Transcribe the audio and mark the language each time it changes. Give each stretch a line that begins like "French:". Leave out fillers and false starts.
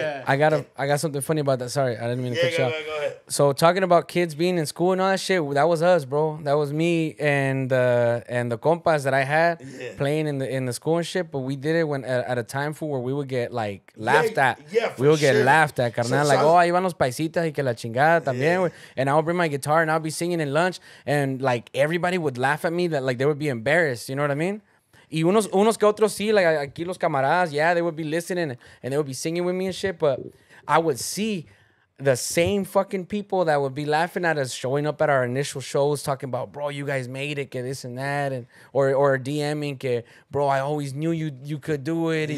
English: Yeah. I got something funny about that. Sorry, I didn't mean to cut you off. Yeah, go ahead. So talking about kids being in school and all that shit, that was us, bro. That was me and the compas that I had playing in the school and shit. But we did it at a time for where we would get like laughed at. Yeah, we would get laughed at,
Spanish: carnal. So, like, ahí van los paisitas y que la chingada también.
English: Yeah. And I would bring my guitar and I'll be singing in lunch and like everybody would laugh at me that like they would be embarrassed. You know what I mean?
Spanish: Y unos que otros sí,
English: like
Spanish: aquí los camaradas,
English: yeah, they would be listening and they would be singing with me and shit, but I would see the same fucking people that would be laughing at us showing up at our initial shows talking about, bro, you guys made it, que this and that, and or DMing, que, bro, I always knew you could do it.